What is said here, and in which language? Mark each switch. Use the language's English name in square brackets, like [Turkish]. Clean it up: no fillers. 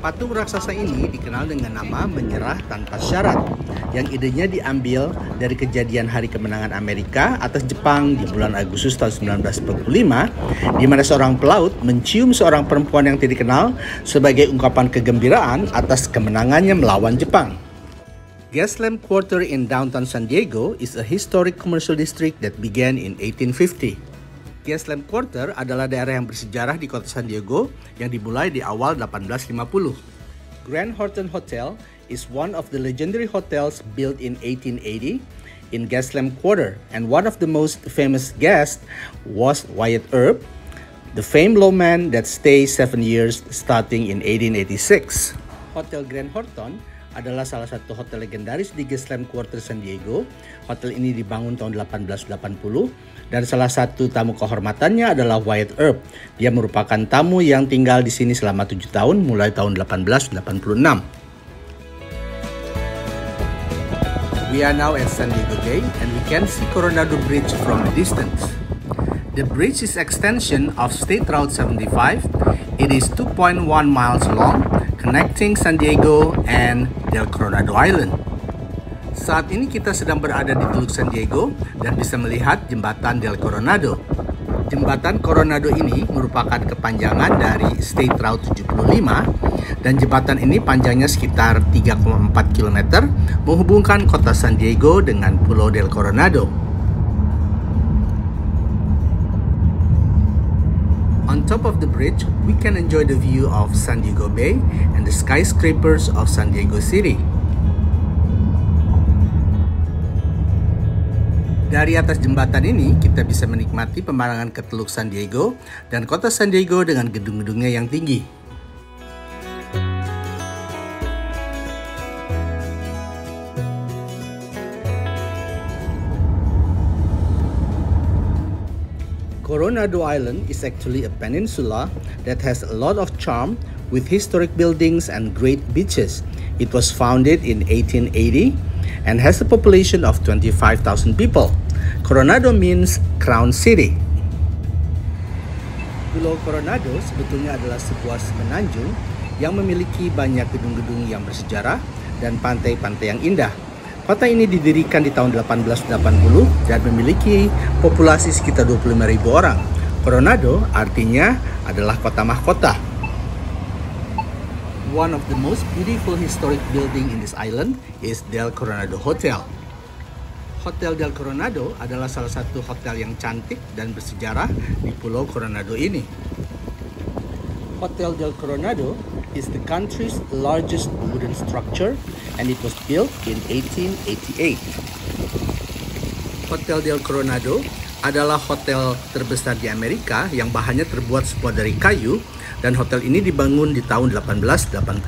[Indonesian] Patung raksasa ini dikenal dengan nama Menyerah Tanpa Syarat, yang idenya diambil dari kejadian hari kemenangan Amerika atas Jepang di bulan Agustus tahun 1945, di mana seorang pelaut mencium seorang perempuan yang tidak dikenal sebagai ungkapan kegembiraan atas kemenangannya melawan Jepang. [English] Gaslamp Quarter in downtown San Diego is a historic commercial district that began in 1850. [Indonesian] Gaslamp Quarter adalah daerah yang bersejarah di kota San Diego yang dimulai di awal 1850. [English] Grand Horton Hotel is one of the legendary hotels built in 1880 in Gaslamp Quarter, and one of the most famous guests was Wyatt Earp, the famed lawman that stayed 7 years starting in 1886. [Indonesian] Hotel Grand Horton adalah salah satu hotel legendaris di Gaslamp Quarter San Diego. Hotel ini dibangun tahun 1880 dan salah satu tamu kehormatannya adalah Wyatt Earp. Dia merupakan tamu yang tinggal di sini selama 7 tahun mulai tahun 1886. [English] We are now at San Diego Bay and we can see Coronado Bridge from a distance. The bridge is extension of State Route 75. It is 2.1 miles long, connecting San Diego and Del Coronado Island. [Indonesian] Saat ini kita sedang berada di Teluk San Diego dan bisa melihat jembatan Del Coronado. Jembatan Coronado ini merupakan kepanjangan dari State Route 75 dan jembatan ini panjangnya sekitar 3,4 km menghubungkan kota San Diego dengan Pulau Del Coronado. [English] On top of the bridge, we can enjoy the view of San Diego Bay and the skyscrapers of San Diego City. [Indonesian] Dari atas jembatan ini, kita bisa menikmati pemandangan ke Teluk San Diego dan kota San Diego dengan gedung-gedungnya yang tinggi. [English] Coronado Island is actually a peninsula that has a lot of charm with historic buildings and great beaches. It was founded in 1880 and has a population of 25,000 people. Coronado means crown city. [Indonesian] Pulau Coronado sebetulnya adalah sebuah semenanjung yang memiliki banyak gedung-gedung yang bersejarah dan pantai-pantai yang indah. Kota ini didirikan di tahun 1880 dan memiliki populasi sekitar 25.000 orang. Coronado artinya adalah kota mahkota. [English] One of the most beautiful historic building in this island is Del Coronado Hotel. [Indonesian] Hotel Del Coronado adalah salah satu hotel yang cantik dan bersejarah di Pulau Coronado ini. [English] Hotel Del Coronado is the country's largest wooden structure and it was built in 1888. [Indonesian] Hotel Del Coronado adalah hotel terbesar di Amerika yang bahannya terbuat semua dari kayu dan hotel ini dibangun di tahun 1888.